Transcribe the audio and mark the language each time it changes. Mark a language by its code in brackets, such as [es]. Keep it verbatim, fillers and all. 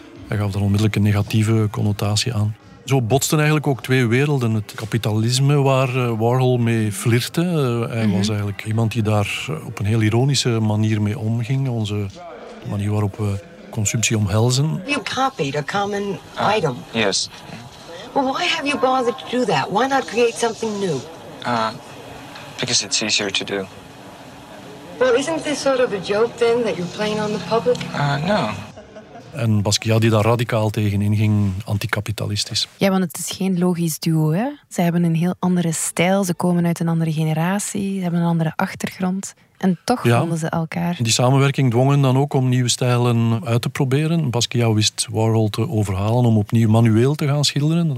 [nl] Hij gaf daar onmiddellijk een negatieve connotatie aan. Zo botsten eigenlijk ook twee werelden. Het kapitalisme waar Warhol mee flirte. Hij was eigenlijk iemand die daar op een heel ironische manier mee omging. Onze manier waarop we consumptie omhelzen. [en] You copied a common item. Uh, yes. Well, why have you bothered to do that? Why not create something new? Uh, because it's easier to do. Well, isn't this sort of a joke then that you're playing on the public? Uh, no. [nl] En Basquiat die daar radicaal tegenin ging, anticapitalistisch. Ja, want het is geen logisch duo, hè? Ze hebben een heel andere stijl, ze komen uit een andere generatie, ze hebben een andere achtergrond. En toch ja, vonden ze elkaar. Die samenwerking dwong hen dan ook om nieuwe stijlen uit te proberen. Basquiat wist Warhol te overhalen om opnieuw manueel te gaan schilderen.